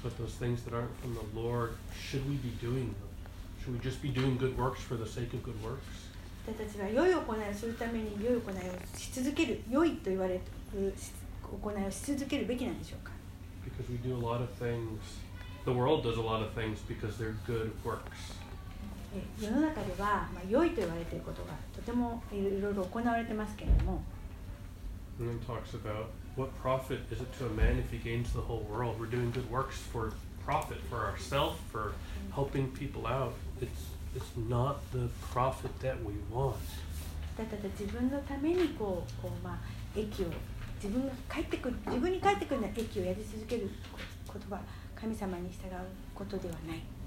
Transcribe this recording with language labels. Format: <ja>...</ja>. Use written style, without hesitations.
<en>But those things that aren't from the Lord, should we be doing them? Should we just be doing good works for the sake of good works?</en> <ja>私たちは良い行いをするために良い行いをし続ける良いと言われる行いをし続けるべきなんでしょうか。</ja> <en>Because we do a lot of things. The world does a lot of things because they're good works.</en> <ja>世の中では、良いと言われていることがとてもいろいろ行われてますけれども。</ja> <en>And then talks about what profit is it to a man if he gains the whole world? We're doing good works for profit, for ourselves, for helping people out. It's not the profit that we want.</en> <ja>ただ自分のためにこう益を自分に返ってくるような益をやり続けることは神様に従うことではない。</ja>